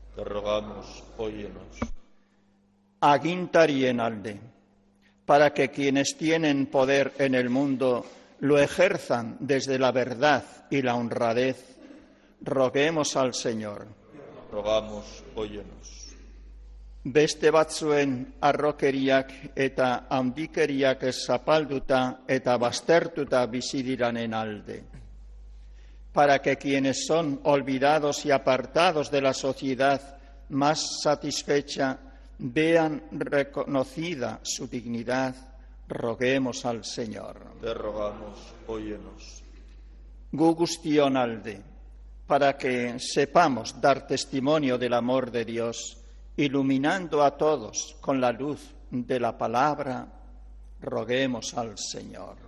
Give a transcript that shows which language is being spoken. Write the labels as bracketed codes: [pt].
[es] Te rogamos, óyenos. [eu] Aguintari en alde, [es] para que quienes tienen poder en el mundo lo ejerzan desde la verdad y la honradez, roguemos al Señor. Rogamos, óyenos. [eu] Beste batzuen arrokeriak eta handikeriak zapalduta eta bastertuta bizidiranen alde. [es] Para que quienes son olvidados y apartados de la sociedad más satisfecha vean reconocida su dignidad, roguemos al Señor. Te rogamos, óyenos. [eu] Gu guztion alde, [es] para que sepamos dar testimonio del amor de Dios, iluminando a todos con la luz de la palabra, roguemos al Señor.